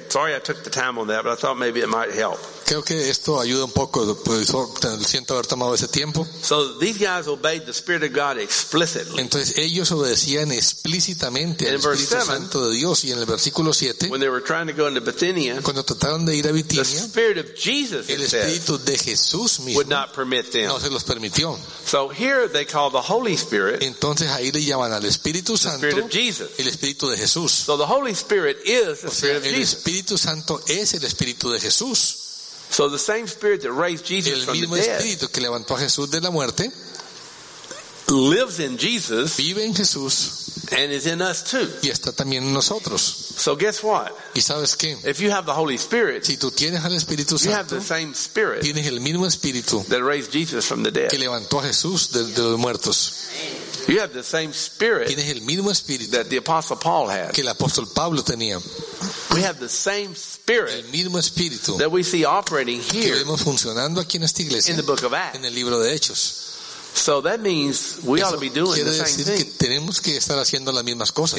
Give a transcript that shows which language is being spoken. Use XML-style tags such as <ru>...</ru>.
<en>Sorry I took the time on that, but I thought maybe it might help.</en> <es>Creo que esto ayuda un poco, pues, siento haber tomado ese tiempo.</es> <en>So these guys obeyed the Spirit of God explicitly.</en> <es>Entonces ellos obedecían explícitamente al Espíritu Santo de Dios. Y en el versículo 7,</es> <en>when they were trying to go into Bithynia,</en> <es>cuando trataron de ir a Bithynia,</es> <en>the Spirit of Jesus,</en> <es>el Espíritu de Jesús mismo</es> <en>would not permit them.</en> <es>No se los permitió.</es> <en>So here they call the Holy Spirit,</en> <es>entonces ahí le llaman al Espíritu Santo,</es> <en>the Spirit of Jesus.</en> <es>El Espíritu de Jesús.</es> <en>So the Holy Spirit is the Spirit of Jesus.</en> <es>El Espíritu Santo es el Espíritu de Jesús.</es> <en>So the same Spirit that raised Jesus from the dead,</en> <es>el mismo Espíritu que levantó a Jesús de la muerte,</es> <en>lives in Jesus,</en> <es>vive en Jesús,</es> <en>and is in us too.</en> <es>Y está también en nosotros.</es> <en>So guess what?</en> <es>¿Y sabes qué?</es> <en>If you have the Holy Spirit,</en> <es>si tú tienes al Espíritu Santo,</es> <en>you have the same Spirit,</en> <es>tienes el mismo Espíritu</es> <en>that raised Jesus from the dead,</en> <es>que levantó a Jesús de los muertos.</es> <en>You have the same Spirit,</en> <es>tienes el mismo Espíritu</es> <en>that the Apostle Paul had,</en> <es>que el apóstol Pablo tenía.</es> <en>We have the same Spirit,</en> <es>el mismo Espíritu</es> <en>that we see operating here,</en> <es>que vemos funcionando aquí en esta iglesia,</es> <en>in the book of Acts,</en> <es>en el libro de Hechos.</es> <en>So that means we ought to be doing the same thing.</en> <es>Eso quiere decir que tenemos que estar haciendo las mismas cosas.</es>